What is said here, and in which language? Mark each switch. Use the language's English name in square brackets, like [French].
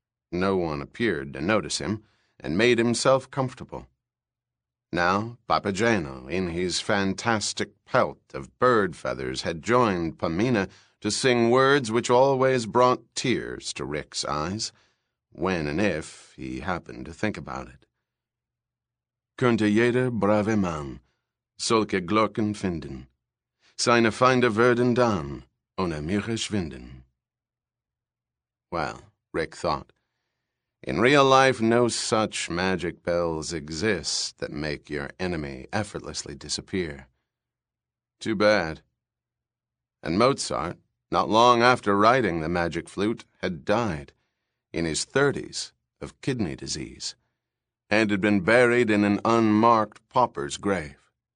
[English] No one appeared to notice him, and made himself comfortable. Now, Papageno, in his fantastic pelt of bird feathers, had joined Pamina to sing words which always brought tears to Rick's eyes, when and if he happened to think about it. [German] Könnte jeder brave Mann solche Glocken finden, seine Feinde würden dann ohne Mühe schwinden. [English] Well, Rick thought, in real life no such magic bells exist that make your enemy effortlessly disappear. Too bad. And Mozart, not long after writing the magic flute, had died, in his 30s, of kidney disease, and had been buried in an unmarked pauper's grave.